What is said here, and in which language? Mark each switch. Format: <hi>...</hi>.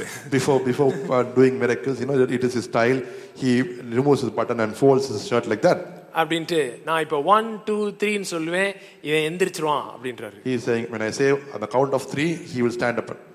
<en>before doing miracles, you know, that it is his style. He removes his button and folds his shirt like that.</en> <ta>அப்படின்ட்டு நான் இப்போ 1, 2, 3 சொல்லுவேன், இவன் எந்திரிச்சிருவான் அப்படின்றாரு.</ta> <en>He is saying, when I say on the count of 3, he will stand up.</en>